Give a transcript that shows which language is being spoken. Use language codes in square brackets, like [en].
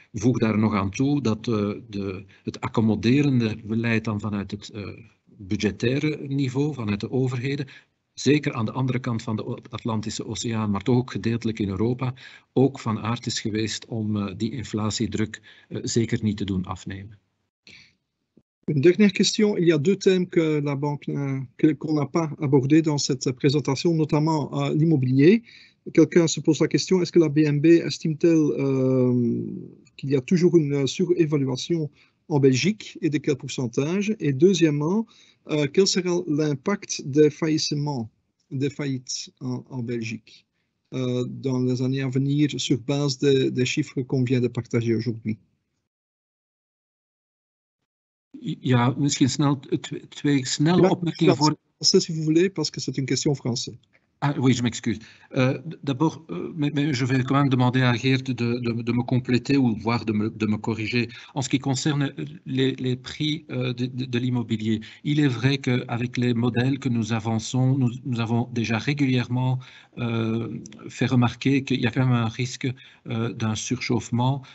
[nl] Voeg daar nog aan toe dat het accommoderende beleid dan vanuit het budgettaire niveau, vanuit de overheden, zeker aan de andere kant van de Atlantische Oceaan, maar toch ook gedeeltelijk in Europa, ook van aard is geweest om die inflatiedruk zeker niet te doen afnemen. [fr] Une dernière question. Il y a deux thèmes que la banque qu'on n'a pas abordé dans cette présentation, notamment l'immobilier. Quelqu'un se pose la question, est-ce que la BNB estime-t-elle qu'il y a toujours une surévaluation en Belgique et de quel pourcentage? Et deuxièmement, quel sera l'impact des faillissements, des faillites en Belgique dans les années à venir sur base des chiffres qu'on vient de partager aujourd'hui? [nl] Ja, misschien snel twee snelle opmerkingen voor. [fr] Français, si vous voulez, parce que c'est une question française. Ah, oui, je m'excuse. D'abord, je vais quand même demander à Geert de me compléter ou voire de me corriger. En ce qui concerne les prix de l'immobilier, il est vrai qu'avec les modèles que nous avançons, nous avons déjà régulièrement fait remarquer qu'il y a quand même un risque d'un surchauffement.